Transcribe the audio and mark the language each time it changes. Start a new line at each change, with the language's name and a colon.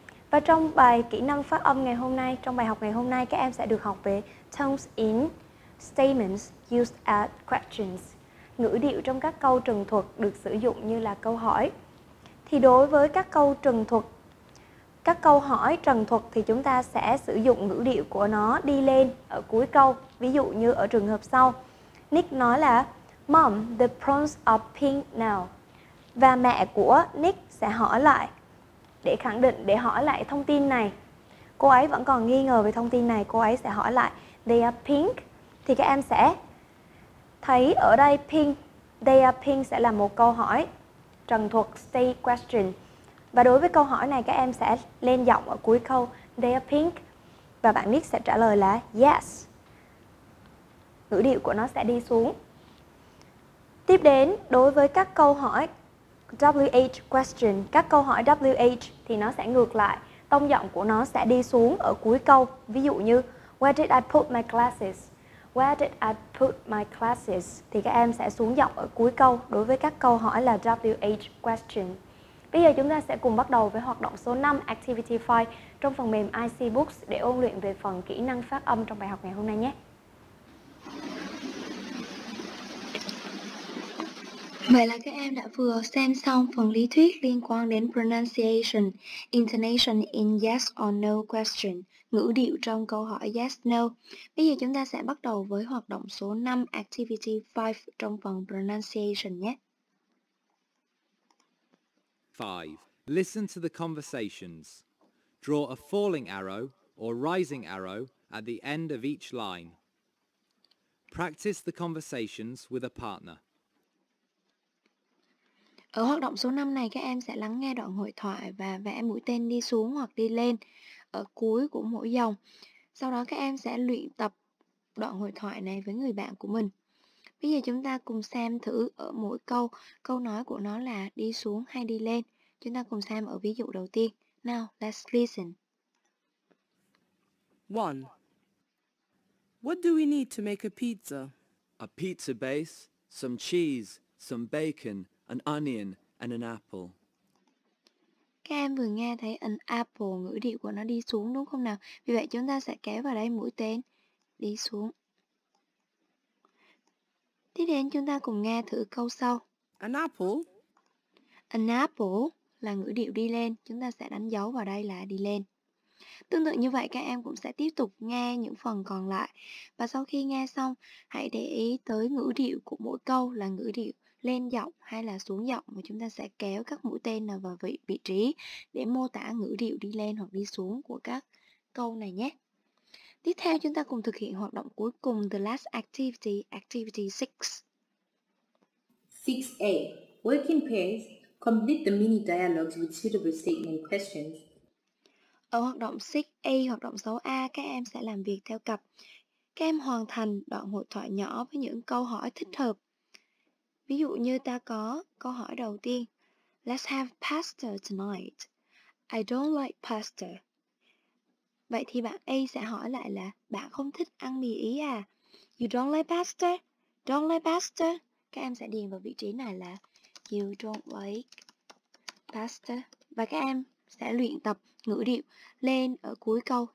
Vietnamese: Và trong bài kỹ năng phát âm ngày hôm nay, trong bài học ngày hôm nay, các em sẽ được học về
English: tones in statements used as questions,
Vietnamese: ngữ điệu trong các câu trừng thuật được sử dụng như là câu hỏi. Thì đối với các câu trừng thuật, các câu hỏi trừng thuật thì chúng ta sẽ sử dụng ngữ điệu của nó đi lên ở cuối câu. Ví dụ như ở trường hợp sau, Nick nói là
English: Mom, the prawns are pink now.
Vietnamese: Và mẹ của Nick sẽ hỏi lại để khẳng định, để hỏi lại thông tin này. Cô ấy vẫn còn nghi ngờ về thông tin này, cô ấy sẽ hỏi lại
English: they are pink.
Vietnamese: Thì các em sẽ thấy ở đây pink,
English: they are pink
Vietnamese: sẽ là một câu hỏi trần thuật,
English: say question.
Vietnamese: Và đối với câu hỏi này các em sẽ lên giọng ở cuối câu
English: they are pink
Vietnamese: và bạn Nick sẽ trả lời là yes. Ngữ điệu của nó sẽ đi xuống. Tiếp đến, đối với các câu hỏi WH question, các câu hỏi WH thì nó sẽ ngược lại, tông giọng của nó sẽ đi xuống ở cuối câu. Ví dụ như
English: where did I put my glasses? Where did I put my glasses?
Vietnamese: Thì các em sẽ xuống giọng ở cuối câu đối với các câu hỏi là WH question. Bây giờ chúng ta sẽ cùng bắt đầu với hoạt động số 5 Activity 5 trong phần mềm IC Books để ôn luyện về phần kỹ năng phát âm trong bài học ngày hôm nay nhé. Vậy là các em đã vừa xem xong phần lý thuyết liên quan đến
English: pronunciation, intonation in yes or no question,
Vietnamese: ngữ điệu trong câu hỏi yes, no. Bây giờ chúng ta sẽ bắt đầu với hoạt động số 5, activity 5 trong phần pronunciation nhé.
English: 5. Listen to the conversations. Draw a falling arrow or rising arrow at the end of each line. Practice the conversations with a partner.
Vietnamese: Ở hoạt động số 5 này, các em sẽ lắng nghe đoạn hội thoại và vẽ mũi tên đi xuống hoặc đi lên ở cuối của mỗi dòng. Sau đó các em sẽ luyện tập đoạn hội thoại này với người bạn của mình. Bây giờ chúng ta cùng xem thử ở mỗi câu, câu nói của nó là đi xuống hay đi lên. Chúng ta cùng xem ở ví dụ đầu tiên.
English: Now, let's listen. 1. What do we need to make a pizza? A pizza base, some cheese, some bacon, an onion and an apple.
Vietnamese: Các em vừa nghe thấy an apple, ngữ điệu của nó đi xuống đúng không nào? Vì vậy chúng ta sẽ kéo vào đây mũi tên đi xuống. Tiếp đến chúng ta cùng nghe thử câu sau.
English: An apple. An apple
Vietnamese: là ngữ điệu đi lên, chúng ta sẽ đánh dấu vào đây là đi lên. Tương tự như vậy các em cũng sẽ tiếp tục nghe những phần còn lại. Và sau khi nghe xong, hãy để ý tới ngữ điệu của mỗi câu là ngữ điệu lên giọng hay là xuống giọng, mà chúng ta sẽ kéo các mũi tên vào vị trí để mô tả ngữ điệu đi lên hoặc đi xuống của các câu này nhé. Tiếp theo chúng ta cùng thực hiện hoạt động cuối cùng,
English: the last activity, activity 6. 6A. Work in pairs, complete the mini dialogues with suitable statement questions.
Vietnamese: Ở hoạt động 6A, hoạt động 6A, các em sẽ làm việc theo cặp. Các em hoàn thành đoạn hội thoại nhỏ với những câu hỏi thích hợp. Ví dụ như ta có câu hỏi đầu tiên.
English: Let's have pasta tonight. I don't like pasta.
Vietnamese: Vậy thì bạn A sẽ hỏi lại là bạn không thích ăn mì Ý à?
English: You don't like pasta?
Vietnamese: Don't like pasta? Các em sẽ điền vào vị trí này là
English: you don't like pasta.
Vietnamese: Và các em sẽ luyện tập ngữ điệu lên ở cuối câu.